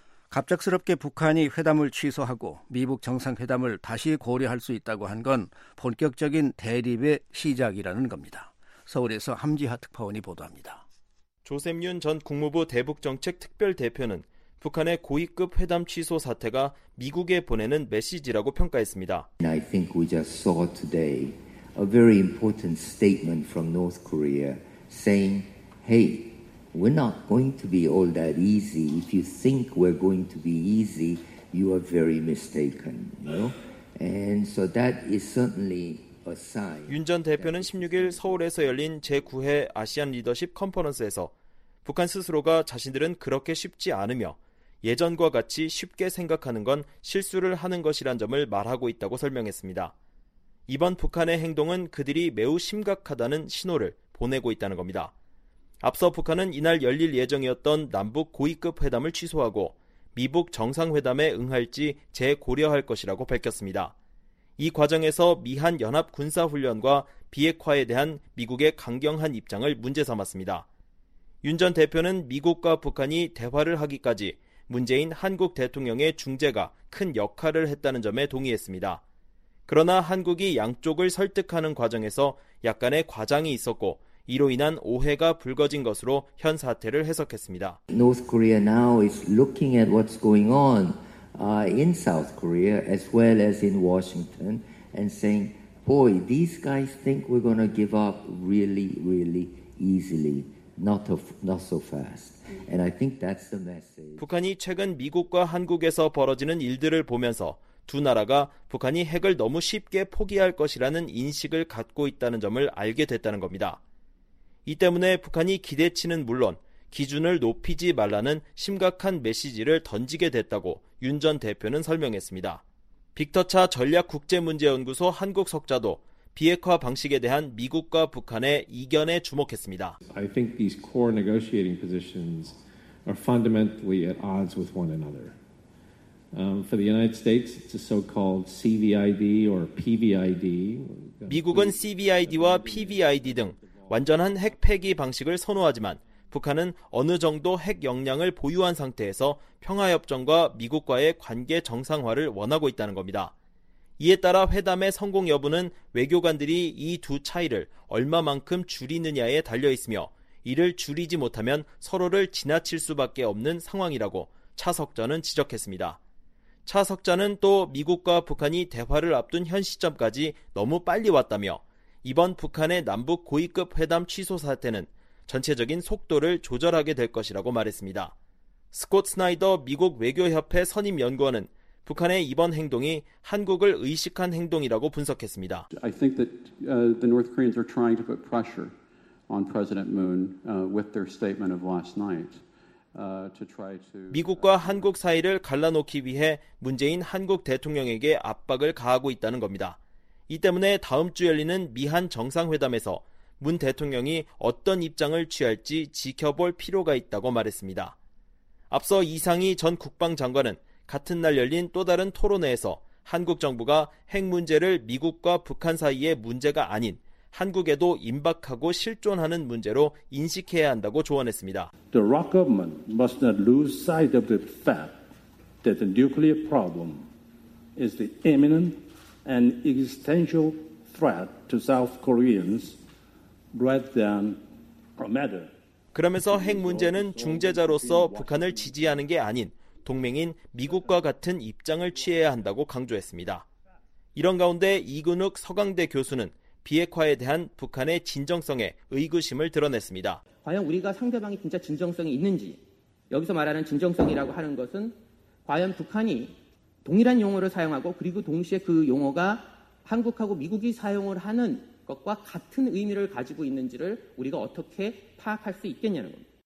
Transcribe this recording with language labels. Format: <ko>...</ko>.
<ko>갑작스럽게 북한이 회담을 취소하고 미북 정상회담을 다시 고려할 수 있다고 한 건 본격적인 대립의 시작이라는 겁니다. 서울에서 함지하 특파원이 보도합니다. 조셉윤 전 국무부 대북정책특별대표는 북한의 고위급 회담 취소 사태가 미국에 보내는 메시지라고 평가했습니다.</ko> <en>I think we just saw today a very important statement from North Korea saying, hey, we're not going to be all that easy. If you think we're going to be easy, you are very mistaken. You know? And so that is certainly a sign.</en> <ko>윤 전 대표는 16일 서울에서 열린 제9회 아시안 리더십 컨퍼런스에서 북한 스스로가 자신들은 그렇게 쉽지 않으며 예전과 같이 쉽게 생각하는 건 실수를 하는 것이란 점을 말하고 있다고 설명했습니다. 이번 북한의 행동은 그들이 매우 심각하다는 신호를 보내고 있다는 겁니다. 앞서 북한은 이날 열릴 예정이었던 남북 고위급 회담을 취소하고 미북 정상회담에 응할지 재고려할 것이라고 밝혔습니다. 이 과정에서 미한 연합 군사훈련과 비핵화에 대한 미국의 강경한 입장을 문제 삼았습니다. 윤 전 대표는 미국과 북한이 대화를 하기까지 문재인 한국 대통령의 중재가 큰 역할을 했다는 점에 동의했습니다. 그러나 한국이 양쪽을 설득하는 과정에서 약간의 과장이 있었고 이로 인한 오해가 불거진 것으로 현 사태를 해석했습니다.</ko> <en>North Korea now is looking at what's going on in South Korea as well as in Washington and saying, boy, these guys think we're going to give up really, really easily, not so fast. And I think that's the message.</en> <ko>북한이 최근 미국과 한국에서 벌어지는 일들을 보면서 두 나라가 북한이 핵을 너무 쉽게 포기할 것이라는 인식을 갖고 있다는 점을 알게 됐다는 겁니다. 이 때문에 북한이 기대치는 물론 기준을 높이지 말라는 심각한 메시지를 던지게 됐다고 윤 전 대표는 설명했습니다. 빅터 차 전략국제문제연구소 한국 석좌도 비핵화 방식에 대한 미국과 북한의 이견에 주목했습니다.</ko> <en>I think these core negotiating positions are fundamentally at odds with one another. For the United States, it's a so-called CVID or PVID.</en> <ko>미국은 CVID와 PVID 등 완전한 핵 폐기 방식을 선호하지만 북한은 어느 정도 핵 역량을 보유한 상태에서 평화협정과 미국과의 관계 정상화를 원하고 있다는 겁니다. 이에 따라 회담의 성공 여부는 외교관들이 이 두 차이를 얼마만큼 줄이느냐에 달려 있으며 이를 줄이지 못하면 서로를 지나칠 수밖에 없는 상황이라고 차석전은 지적했습니다. 차석자는 또 미국과 북한이 대화를 앞둔 현 시점까지 너무 빨리 왔다며 이번 북한의 남북 고위급 회담 취소 사태는 전체적인 속도를 조절하게 될 것이라고 말했습니다. 스콧 스나이더 미국 외교협회 선임연구원은 북한의 이번 행동이 한국을 의식한 행동이라고 분석했습니다.</ko> <en>I think that the North Koreans are trying to put pressure on President Moon with their statement of last night.</en> <ko>미국과 한국 사이를 갈라놓기 위해 문재인 한국 대통령에게 압박을 가하고 있다는 겁니다. 이 때문에 다음 주 열리는 미한 정상회담에서 문 대통령이 어떤 입장을 취할지 지켜볼 필요가 있다고 말했습니다. 앞서 이상희 전 국방장관은 같은 날 열린 또 다른 토론회에서 한국 정부가 핵 문제를 미국과 북한 사이의 문제가 아닌 한국에도 임박하고 실존하는 문제로 인식해야 한다고 조언했습니다.</ko> <en>The Iraq government must not lose sight of the fact that the nuclear problem is the imminent and existential threat to South Koreans rather than a matter.</en> <ko>그러면서 핵 문제는 중재자로서 북한을 지지하는 게 아닌 동맹인 미국과 같은 입장을 취해야 한다고 강조했습니다. 이런 가운데 이근욱 서강대 교수는 비핵화에 대한 북한의 진정성에 의구심을 드러냈습니다. 과연 우리가 상대방이 진짜 진정성이 있는지, 여기서 말하는 진정성이라고 하는 것은 과연 북한이 동일한 용어를 사용하고 그리고 동시에 그 용어가 한국하고 미국이 사용을 하는 것과 같은 의미를 가지고 있는지를 우리가 어떻게 파악할 수 있겠냐는 겁니다.</ko>